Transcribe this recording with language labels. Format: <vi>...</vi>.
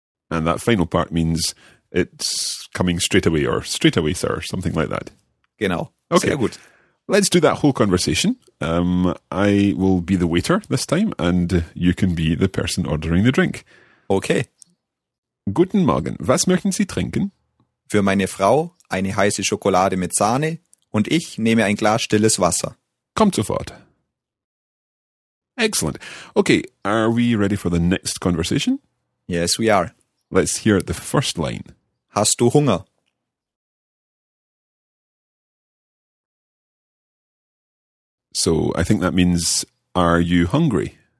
<en>And that final part means it's coming straight away or straight away, sir, something like that.</en> <de>Genau. Okay. Sehr gut.</de> <en>Let's do that whole conversation. I will be the waiter this time, and you can be the person ordering the drink. Okay.</en> <de>Guten Morgen. Was möchten Sie trinken? Für meine Frau eine heiße Schokolade mit Sahne und ich nehme ein Glas stilles Wasser. Kommt sofort.</de> <en>Excellent. Okay, are we ready for the next conversation? Yes, we are. Let's hear the first line.</en> <de>Hast du Hunger?</de> <en>So, I think that means, are you hungry?</en>